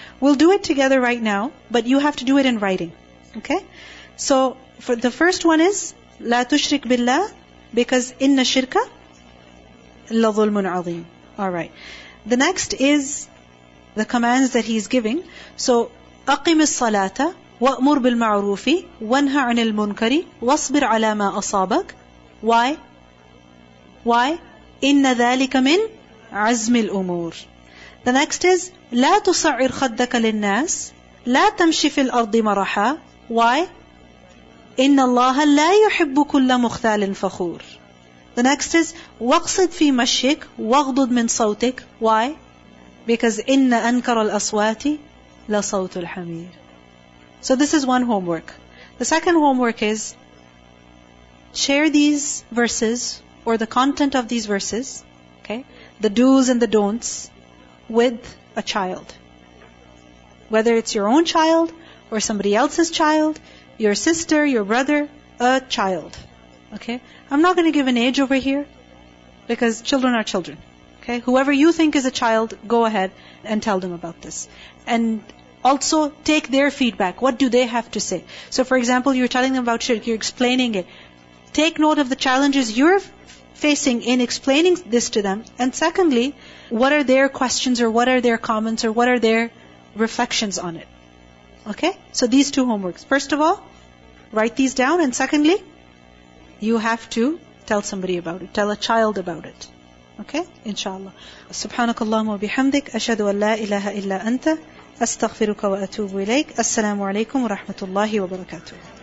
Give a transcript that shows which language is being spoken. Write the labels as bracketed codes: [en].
[en] We'll do it together right now, but you have to do it in writing. Okay? So for the first one is [ar] لا تشرك بالله [en] because [ar] إِنَّ شِرْكَ لَظُلْمٌ عَظِيمٌ. [en] Alright. The next is the commands that he's giving. [ar] So, أقم الصلاة وأمر بالمعروف وانهى عن المنكر واصبر على ما أصابك. Why? Why? إن ذلك من عزم الأمور. [en] The next is [ar] لا تصعر خدك للناس لا تمشي في الأرض مرحا. [en] Why? [ar] إن الله لا يحب كل مختال فخور. [en] The next is [ar] وَقْصِدْ فِي مَشِّكْ وَغْضُدْ مِنْ صَوْتِكْ. [en] Why? Because [ar] إِنَّ أَنْكَرَ الْأَصْوَاتِ لَصَوْتُ الْحَمِيرِ. [en] So this is one homework. The second homework is, share these verses, or the content of these verses, okay, the do's and the don'ts, with a child. Whether it's your own child, or somebody else's child, your sister, your brother, a child. Okay? I'm not going to give an age over here, because children are children. Okay? Whoever you think is a child, go ahead and tell them about this. And also, take their feedback. What do they have to say? So for example, you're telling them about shirk, you're explaining it. Take note of the challenges you're facing in explaining this to them. And secondly, what are their questions, or what are their comments, or what are their reflections on it? Okay? So these two homeworks. First of all, write these down. And secondly, you have to tell somebody about it. Tell a child about it. Okay? Inshallah. [ar] Subhanakallahumma bihamdik. Ashhadu an la ilaha illa anta. أستغفرك وأتوب إليك السلام عليكم ورحمة الله وبركاته